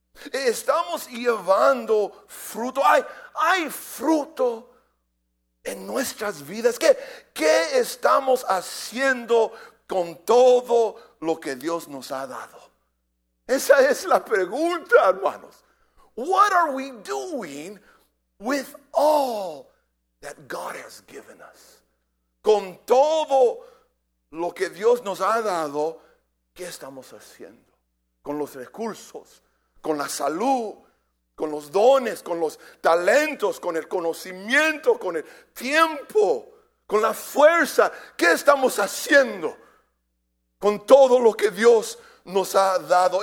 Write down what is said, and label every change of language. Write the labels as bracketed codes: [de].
[es] ¿Estamos llevando fruto? ¿Hay fruto en nuestras vidas? ¿Qué estamos haciendo con todo lo que Dios nos ha dado? Esa es la pregunta, hermanos. [en] What are we doing with all that God has given us? [es] Con todo lo que Dios nos ha dado, ¿qué estamos haciendo? Con los recursos, con la salud, con los dones, con los talentos, con el conocimiento, con el tiempo, con la fuerza. ¿Qué estamos haciendo con todo lo que Dios nos ha dado.